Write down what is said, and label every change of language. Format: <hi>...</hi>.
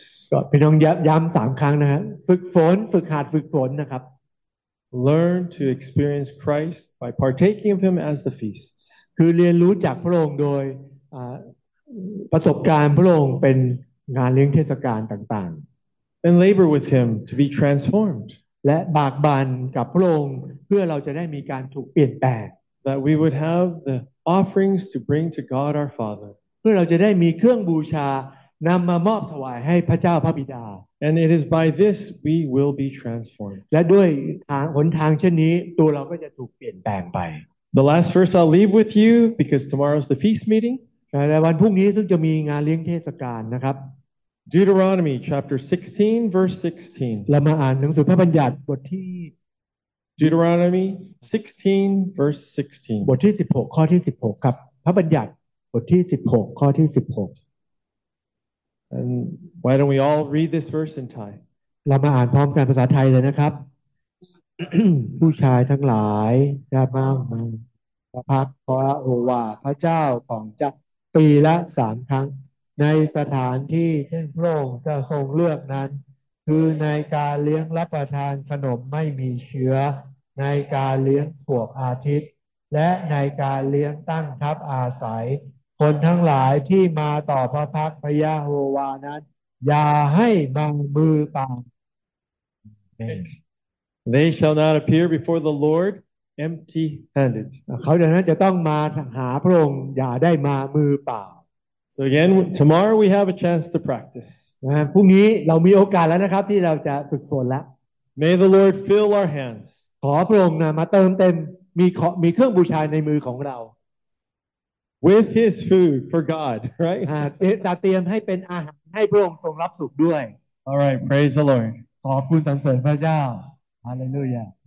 <th>ก็พี่น้องย้ำ3ครั้งนะฮะฝึกฝนฝึกหัดฝึกฝนนะครับ</th> <en>Learn to experience Christ by partaking of him as the feasts</en> <th>คือเรียนรู้จากพระองค์โดยประสบการณ์พระองค์เป็นงานเลี้ยงเทศกาลต่าง</th> <en>ๆ and labor with him to be transformed</en> <th>และบากบั่นกับพระองค์เพื่อเราจะได้มีการถูกเปลี่ยนแปลง</th> <en>that we would have the offerings to bring to God our Father</en> <th>เพื่อเราจะได้มีเครื่องบูชานำมามอบถวายให้พระเจ้าพระบิดา</th> <en>and it is by this we will be transformed</en> <th>และด้วยทางหนทางเช่นนี้ตัวเราก็จะถูกเปลี่ยนแปลงไป</th> <en>the last verse I'll leave with you because tomorrow's the feast meeting</en> <th>และวันพรุ่งนี้ซึ่งจะมีงานเลี้ยงเทศกาลนะครับ</th> <en>Deuteronomy chapter 16 verse 16</en> <th>เรามาอ่านหนังสือพระบัญญัติบทที่</th> <en>Deuteronomy 16 verse 16</en> <th>บทที่16ข้อที่16ครับพระบัญญัติบทที่16ข้อที่16</th> <en>And why don't we all read this verse in Thai</en> <th>เรามาอ่านพร้อมกันภาษาไทยเลยนะครับ ผู้ชายทั้งหลายอย่ามั่งพระพักพระโอวาพระเจ้าของเจ้าปีละ3ครั้งในสถานที่ที่พระองค์จะทรงเลือกนั้นคือในการเลี้ยงรับประทานขนมไม่มีเชื้อ ในการเลี้ยงขวบอาทิตย์และในการเลี้ยงตั้งทัพอาศัยคนทั้งหลายที่มาต่อพระพักพระยะโฮวานั้นอย่าให้มามือเปล่า</th> <en>They shall not appear before the Lord. Empty handed.</en> <th>เขาดังนั้นจะต้องมาหาพระองค์อย่าได้มามือเปล่า</th> <en>So again, tomorrow we have a chance to practice.</en> <th>พรุ่งนี้เรามีโอกาสแล้วนะครับที่เราจะฝึกฝนแล้ว</th> <en>May the Lord fill our hands.</en> <th>ขอพระองค์นะมาเติมเต็มมีเครื่องบูชาในมือของเรา</th> <en>With his food for God, right?</en> <th>จะเตรียมให้เป็นอาหารให้พระองค์ทรงรับสุขด้วย</th> <en>All right, praise the Lord.</en> <th>ขอบคุณสรรเสริญพระเจ้า Hallelujah.</th>